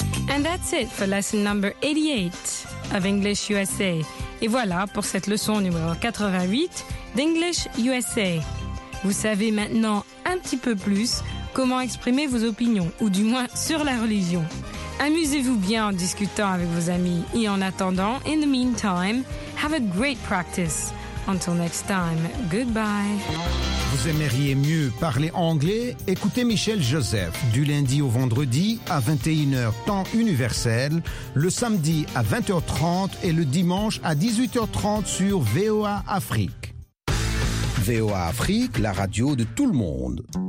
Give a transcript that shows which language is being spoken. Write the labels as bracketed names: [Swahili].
[English] And that's it for lesson number 88 of English USA. [French] Et voilà pour cette leçon numéro 88 d'English USA. Vous savez maintenant un petit peu plus comment exprimer vos opinions, ou du moins sur la religion. Amusez-vous bien en discutant avec vos amis. Et en attendant, [English] in the meantime, have a great practice. Until next time, goodbye. [French] Vous aimeriez mieux parler anglais? Écoutez Michel Joseph du lundi au vendredi à 21h temps universel, le samedi à 20h30 et le dimanche à 18h30 sur VOA Afrique. VOA Afrique, la radio de tout le monde.